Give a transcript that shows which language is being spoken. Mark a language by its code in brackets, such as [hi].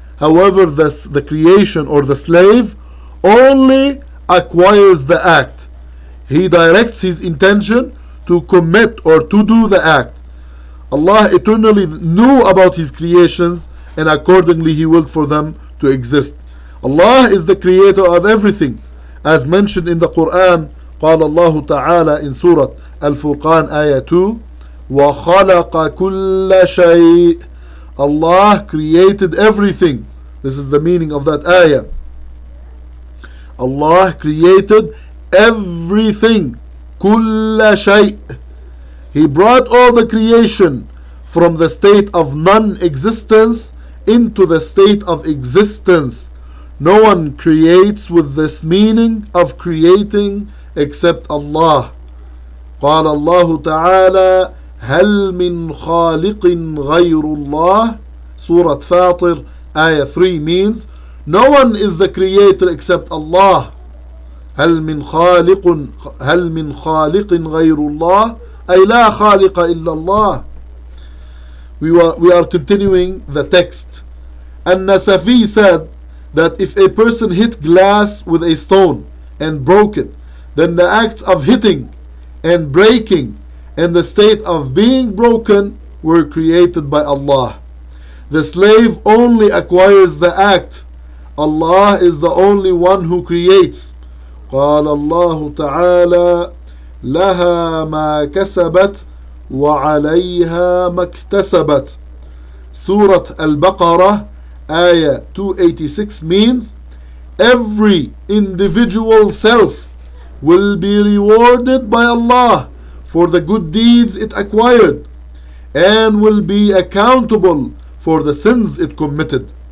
[en] However, the creation or the slave only acquires the act. He directs his intention to commit or to do the act. Allah eternally knew about his creations, and accordingly he willed for them to exist. Allah is the creator of everything, as mentioned in the Quran. [ar] قَالَ اللَّهُ تَعَالَى [en] in Surah Al-Furqan, Ayah 2, [ar] وَخَلَقَ كُلَّ شَيْءٍ. [en] Allah created everything. This is the meaning of that ayah. Allah created everything, [ar] kulla shay. [en] He brought all the creation from the state of non-existence into the state of existence. No one creates with this meaning of creating except Allah. [ar] قال الله تعالى هل من خالق غير الله. [en] Surah Fatir, Ayah 3 means, no one is the creator except Allah. [ar] هَلْ مِنْ خَالِقٌ هَلْ مِنْ خَالِقٍ غَيْرُ اللَّهِ أَيْ لَا خَالِقَ إِلَّا اللَّهِ. [en] We are continuing the text. An-Nasafi said that if a person hit glass with a stone and broke it, then the acts of hitting and breaking and the state of being broken were created by Allah. The slave only acquires the act. Allah is the only one who creates. [ar] قال الله تعالى لها ما كسبت وعليها ما اكتسبت. [en] Surah Al-Baqarah, Ayah 286 means, every individual self will be rewarded by Allah for the good deeds it acquired, and will be accountable for the sins it committed.